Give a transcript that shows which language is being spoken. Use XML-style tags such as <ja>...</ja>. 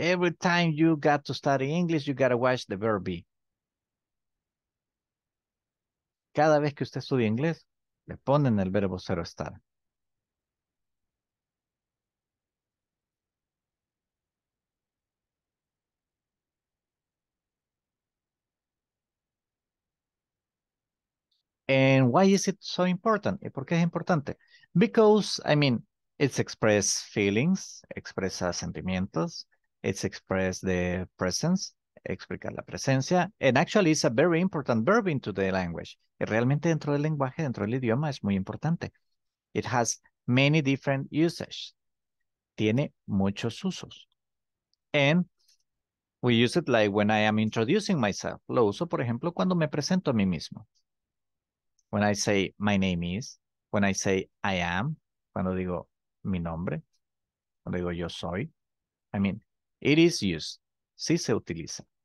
<en>Every time you got to study English, you got to watch the verb be.</en> <es>Cada vez que usted estudia inglés, le ponen el verbo ser o estar.</es> <en>And why is it so important?</en> <es>¿Y por qué es importante?</es> <en>Because, I mean, it's express feelings,</en> <es>expresa sentimientos,</es> <en>it's express the presence,</en> <es>explica la presencia,</es> <en>and actually it's a very important verb into the language.</en> <es>Y realmente dentro del lenguaje, dentro del idioma, es muy importante.</es> <en>It has many different usages.</en> <es>Tiene muchos usos.</es> <en>And we use it like when I am introducing myself.</en> <es>Lo uso, por ejemplo, cuando me presento a mí mismo.</es> <en>When I say my name is, when I say I am,</en> <es>cuando digo mi nombre, cuando digo yo soy,</es> <en>I mean, it is used,</en> <es>sí se utiliza.</es>